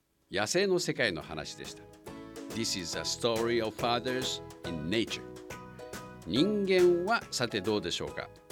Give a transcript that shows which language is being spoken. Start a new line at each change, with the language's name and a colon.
Japanese: 野生の世界の話でした。
English: This is a story of fathers in nature.
Japanese: 人間はさてどうでしょうか?